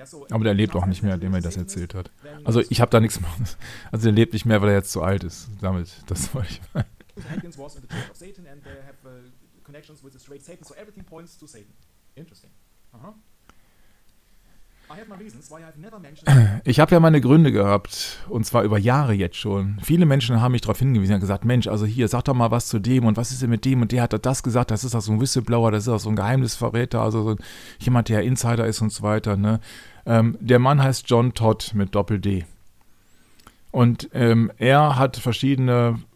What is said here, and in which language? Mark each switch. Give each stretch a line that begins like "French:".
German: Aber der lebt auch nicht mehr, dem er das erzählt hat. Also ich habe da nichts mehr. Also der lebt nicht mehr, weil er jetzt zu alt ist. Damit, das wollte ich meinen.
English: Atkins was in the Church of Satan and they have connections with the straight Satan, so everything points to Satan. Interesting. Uh-huh. I have my reasons why I've never mentioned.
German: Ich habe ja meine Gründe gehabt, und zwar über Jahre jetzt schon. Viele Menschen haben mich darauf hingewiesen und gesagt, Mensch, also hier, sag doch mal was zu dem und was ist denn mit dem und der hat das gesagt, das ist doch so ein Whistleblower, das ist doch so ein Geheimnisverräter, also so jemand, der Insider ist und so weiter. Ne? Der Mann heißt John Todd mit Doppel-D. Und er hat verschiedene